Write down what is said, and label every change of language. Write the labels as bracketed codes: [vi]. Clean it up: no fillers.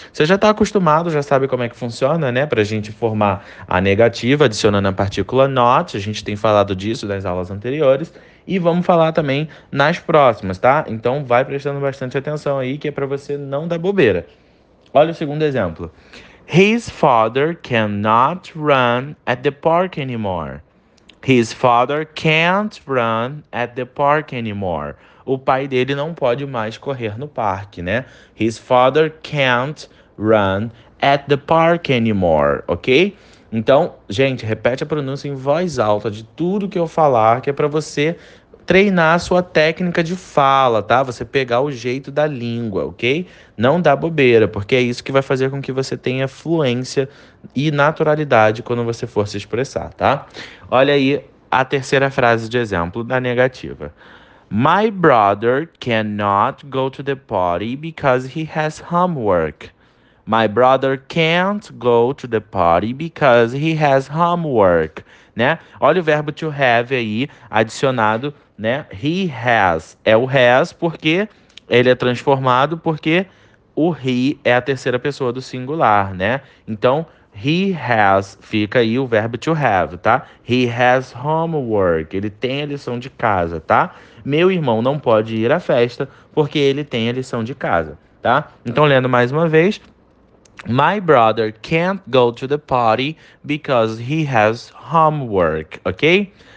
[pt] Você já está acostumado, já sabe como é que funciona, né? Para a gente formar a negativa, adicionando a partícula not. A gente tem falado disso nas aulas anteriores. E vamos falar também nas próximas, tá? Então, vai prestando bastante atenção aí, que é para você não dar bobeira. Olha o segundo exemplo. [en] His father cannot run at the park anymore. His father can't run at the park anymore. [pt] O pai dele não pode mais correr no parque, né? [en] His father can't run at the park anymore, ok? [pt] Então, gente, repete a pronúncia em voz alta de tudo que eu falar, que é para você treinar a sua técnica de fala, tá? Você pegar o jeito da língua, ok? Não dá bobeira, porque é isso que vai fazer com que você tenha fluência e naturalidade quando você for se expressar, tá? Olha aí a terceira frase de exemplo da negativa. [en] My brother cannot go to the party because he has homework. My brother can't go to the party because he has homework, né? [pt] Olha o verbo to have aí adicionado, né? He has é o has porque ele é transformado porque o he é a terceira pessoa do singular, né? Então, he has fica aí o verbo to have, tá? [en] He has homework. [pt] Ele tem a lição de casa, tá? Meu irmão não pode ir à festa porque ele tem a lição de casa, tá? Então, lendo mais uma vez. [en] My brother can't go to the party because he has homework, ok?